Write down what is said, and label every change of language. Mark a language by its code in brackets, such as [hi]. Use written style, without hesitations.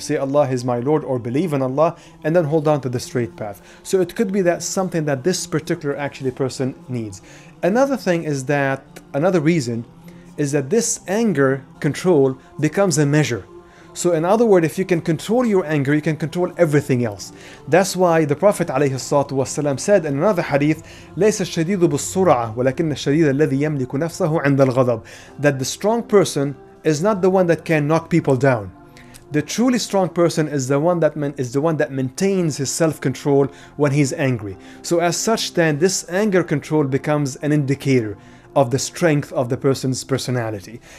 [en] Say Allah is my Lord, or believe in Allah, and then hold on to the straight path. So it could be that something that this particular actually person needs. Another thing is that, another reason, is that this anger control becomes a measure. So in other words, if you can control your anger, you can control everything else. That's why the Prophet عليه الصلاة والسلام said in another hadith, [ar] ليس الشديد بالسرعة ولكن الشديد الذي يملك نفسه عند الغضب. [en] That the strong person is not the one that can knock people down. The truly strong person is the one that maintains his self-control when he's angry. So as such, then this anger control becomes an indicator of the strength of the person's personality.